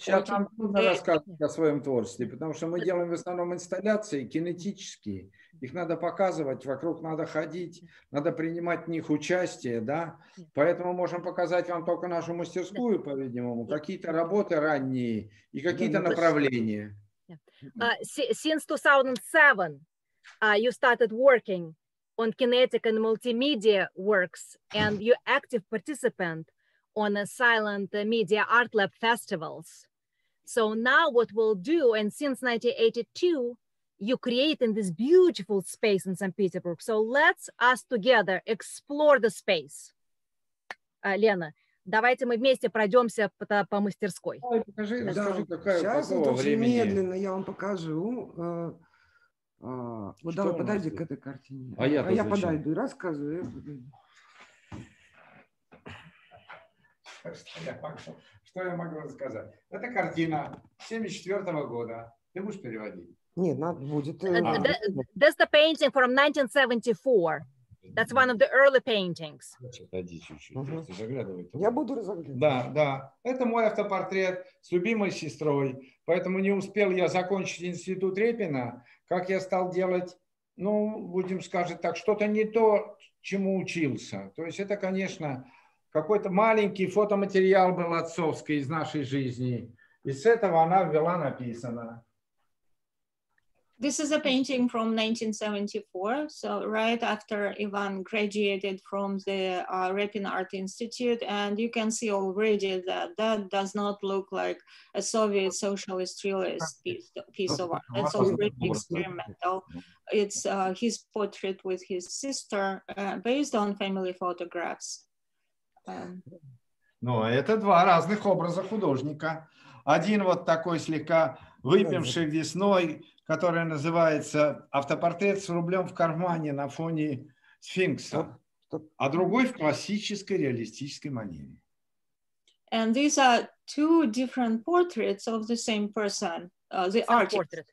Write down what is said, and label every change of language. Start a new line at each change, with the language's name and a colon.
Russian: Сейчас нам трудно рассказывать о своем творчестве, потому что мы делаем в основном инсталляции кинетические. Их надо показывать, вокруг надо ходить, надо принимать в них участие, да? Поэтому можем показать вам только нашу мастерскую, по-видимому, какие-то работы ранние и какие-то направления.
English: Since 2007, you started working on kinetic and multimedia works, and you active participant on a silent media art lab festivals. So now what we'll do, and since 1982, you create in this beautiful space in St. Petersburg. So let's us together explore the space.
Russian: Лена, давайте мы вместе пройдемся по мастерской. Ой, покажи, да. Расскажи, какая, сейчас вот очень медленно я вам покажу. Вот давай подойди к этой картине. А я подойду и рассказываю. Что я могу рассказать? Это картина 1974 года. Ты будешь переводить? Нет, надо будет.
English: That's the painting from 1974. That's one of the early paintings.
Russian: Подожди чуть-чуть, заглядывай. Я буду разглядывать. Да, да. Это мой автопортрет с любимой сестрой. Поэтому не успел я закончить институт Репина, как я стал делать, ну, будем сказать так, что-то не то, чему учился. То есть это, конечно, какой-то маленький фотоматериал был отцовский из нашей жизни. И с этого она ввела написано.
English: This is a painting from 1974, so right after Ivan graduated from the Repin Art Institute, and you can see already that does not look like a Soviet socialist realist piece of art. It's already experimental. It's his portrait with his sister, based on family photographs.
Russian: Ну, это два разных образа художника. Один вот такой слегка выпивший весной, которая называется «Автопортрет с рублем в кармане на фоне сфинкса», а другой в классической реалистической манере.
English: And these are two different portraits of the same person, the same artist, portrait.